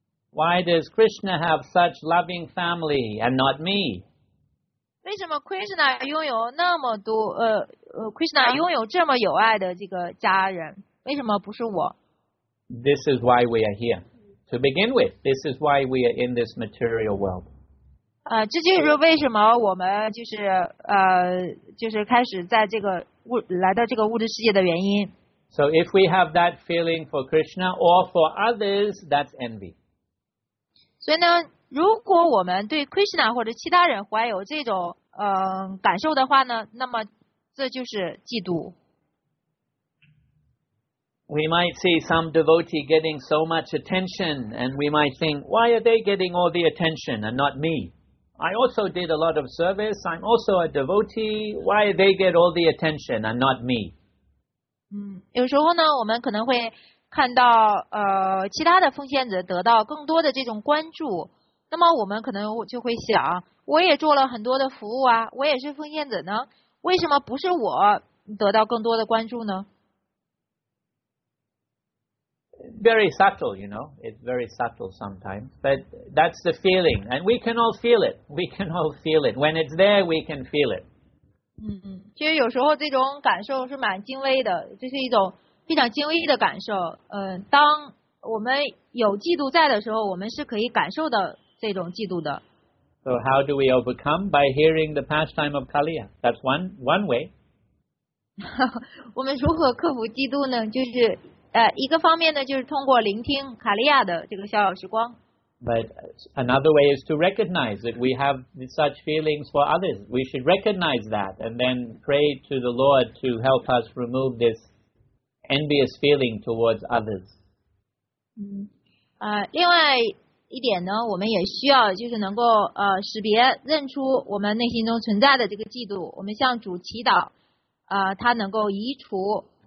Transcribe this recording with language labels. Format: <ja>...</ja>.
<en>Why does Krishna have such loving family and not me?</en> <zh>为什么 Krishna 拥有那么多Krishna 拥有这么有爱的这个家人，为什么不是我？</zh> <en>This is why we are here. To begin with, this is why we are in this material world.</en> <zh>这就是为什么我们就是开始在这个来到这个物质世界的原因。</zh> <en>So if we have that feeling for Krishna or for others, that's envy.</en> <zh>所以呢，如果我们对 Krishna 或者其他人怀有这种感受的话呢，那么这就是嫉妒。</zh> <en>We might see some devotee getting so much attention, and we might think, why are they getting all the attention and not me? I also did a lot of service. I'm also a devotee. Why do they get all the attention and not me?</en> <zh>有时候呢，我们可能会看到其他的奉献者得到更多的这种关注。那么我们可能就会想，我也做了很多的服务啊，我也是奉献者呢，为什么不是我得到更多的关注呢？</zh> <en>Very subtle, you know. It's very subtle sometimes. But that's the feeling. And we can all feel it. We can all feel it. When it's there, we can feel it.</en> <zh>其实有时候这种感受是蛮精微的，这是一种非常精微的感受。当我们有嫉妒在的时候，我们是可以感受到这种嫉妒的。</zh> <en>So how do we overcome? By hearing the pastime of Kaliya. That's one way.</en> <zh>我们如何克服嫉妒呢？就是一个方面呢，就是通过聆听卡利亚的这个逍遥时光。</zh> <en>But another way is to recognize that we have such feelings for others. We should recognize that and then pray to the Lord to help us remove this envious feeling towards others.</en> <zh>另外一点呢，我们也需要就是能够识别认出我们内心中存在的这个嫉妒。我们向主祈祷，他能够移除。</zh>